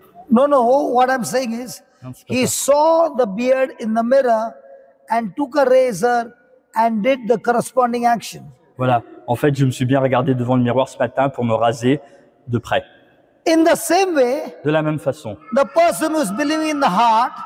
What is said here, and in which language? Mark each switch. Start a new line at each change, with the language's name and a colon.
English: No, what I'm saying is, he saw the beard in the mirror and took a razor. And did the corresponding action.
French: Voilà. En fait, je me suis bien regardé devant le miroir ce matin pour me raser de près.
English: In the same way,
French: de la même façon,
English: the person who is believing in the heart,